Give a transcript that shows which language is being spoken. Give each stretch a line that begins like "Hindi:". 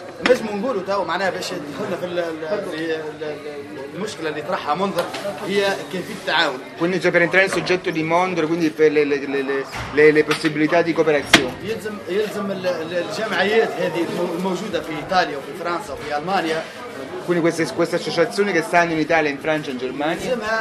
Arabic: نجم نقوله تاو معناها باش دخلنا في المشكله اللي طرحها منظر هي كيفيه التعاون
Italian: quindi già per entrare in soggetto di Mondro quindi per le possibilità di cooperazione
Arabic: يلزم الجمعيات هذه الموجوده في ايطاليا وفي فرنسا وفي المانيا
Italian: quindi queste associazioni che stanno in Italia in Francia in Germania